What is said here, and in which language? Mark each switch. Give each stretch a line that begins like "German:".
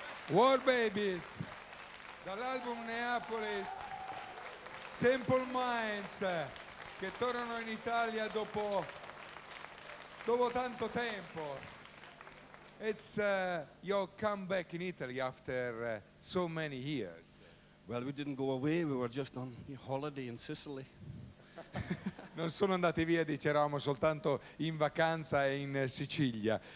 Italian: War Babies, dall'album Neapolis, Simple Minds, che tornano in Italia dopo tanto tempo.
English: It's your comeback in Italy after so many years. Well, we didn't go away, we were just on holiday in Sicily.
Italian: Non sono andati via, dicevamo, soltanto in vacanza e in Sicilia.